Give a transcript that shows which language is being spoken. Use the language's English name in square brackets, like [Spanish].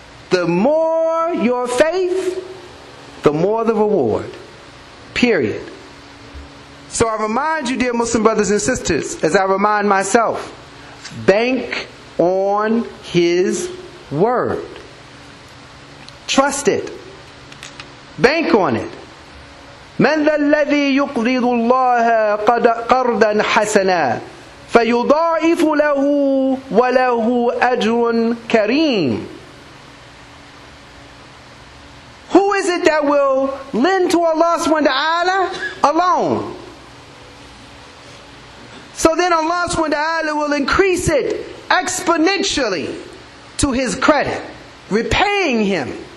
[English] The more your faith, the more the reward. Period. So I remind you, dear Muslim brothers and sisters, as I remind myself, bank on his word. Trust it. Bank on it. [Arabic] من الذي يقرض الله قرضا حسنا فيضاعف له وله أجر كريم. [English] Who is it that will lend to Allah subhanahu wa ta'ala alone? So then Allah subhanahu wa ta'ala will increase it exponentially to his credit, repaying him.